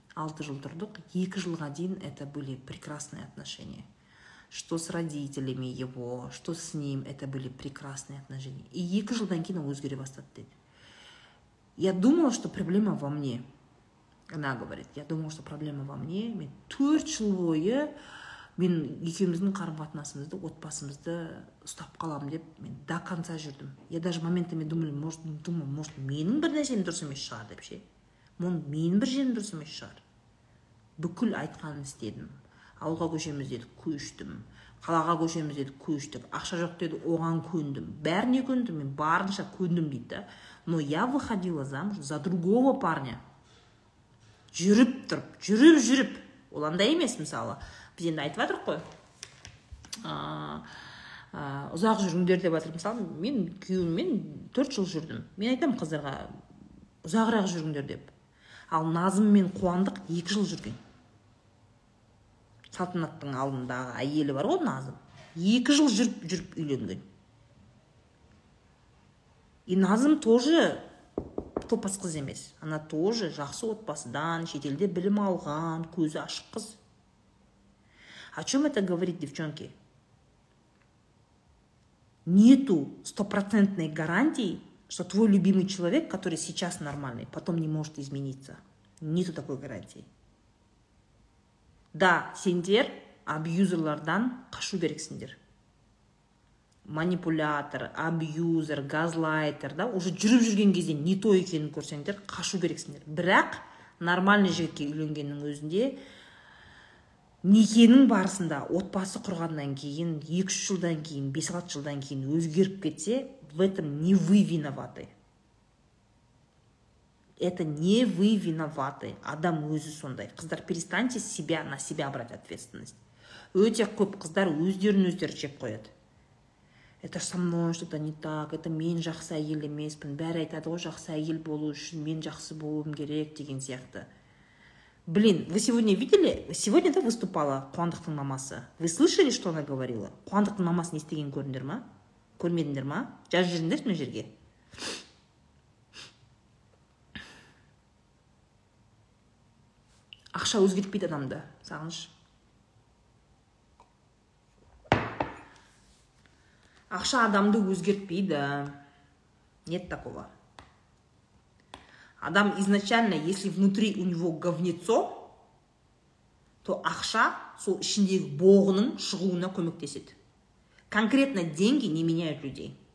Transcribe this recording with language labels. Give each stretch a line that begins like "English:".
Kazakh: 6 жыл тұрдық, 2 жылға дейін
Russian: это были прекрасные отношения. Что с родителями его, что с ним, это были прекрасные отношения.
Kazakh: И 2 жылдан кейін ол өзгере бастады дейді.
Russian: Я думала, что проблема во мне. Она говорит, я думала, что проблема во мне.
Kazakh: Мен 4 жыл бойы, мен екеуміздің қарым-қатынасымызды, отбасымызды ұстап қалам деп, мен
Russian: до конца
Kazakh: жүрдім.
Russian: Я даже моментами думала, может,
Kazakh: менің бір нәрсем дұрыс емес шығар деп ше. Менің бір жерім дұрыс емес шығар. Бүкіл айтқанын істедім. Ауылға көшеміз дедік, көштім. қалаға көшеміз деді, көштік. Ақша жоқ деді, оған көндім. Бәріне көндім, мен барынша көндім дейді.
Russian: Но я выходила замуж за другого парня.
Kazakh: Жүріп тұрып, жүріп-жүріп. Оланда емес мысалы. Біз енді айтып атырық қой. Ұзақ жүріңдер деп атырып мысалы. Мен күйеуіммен 4 жыл жүрдім. Мен айтам қыздарға, ұзағырақ жүріңдер деп. Ал Назым мен Қуандық 2 жыл жүрген. Салтанаттың алдындағы әйелі бар ғой Назым. 2 жыл жүріп үйленген. И Назым тоже топас қыз емес. Ана тоже жақсы отбасыдан, шетелде білім алған, көзі ашық қыз.
Russian: О чем это говорит, девчонки? Нету стопроцентной гарантии, что твой любимый человек, который сейчас нормальный, потом не может измениться. Нету такой гарантии.
Kazakh: Да, сендер абьюзерлардан қашу керексіндер. Манипулятор, абьюзер, газлайтер, да, уже жүріп жүрген кезде не то екенін көрсеңдер, қашу керексіндер. Бірақ нормальный жігітке үйленгеннің өзінде некенің барысында отбасы құрғаннан кейін, 2-3 жылдан кейін, 5-6 жылдан кейін өзгеріп кетсе,
Russian: в этом не вы виноваты. Это не вы виноваты.
Kazakh: Адам өзі сондай.
Russian: Қыздар, перестаньте себя на себя брать ответственность.
Kazakh: Өте көп қыздар өздерін-өздері жеп қояды.
Russian: Это со мной что-то не так.
Kazakh: Это мен жақсы әйел емеспін. Бәрі айтады ғой, жақсы әйел болу үшін мен жақсы болуым керек деген сияқты.
Russian: Блин, вы сегодня видели? Сегодня да выступала Қуандықтың мамасы. Вы слышали, что она говорила?
Kazakh: Қуандықтың мамасы не істеген көріндер ма? Көрмедіңдер ма? Жаз жүріндер мен жерге. Ақша өзгертпейді адамды, сағыныш. Ақша адамды өзгертпейді.
Russian: Нет такого.
Kazakh: Адам
Russian: изначально, если внутри у него говнецо,
Kazakh: то ақша сол ішіндегі боғының шығуына көмектеседі.
Russian: Конкретно деньги не меняют людей.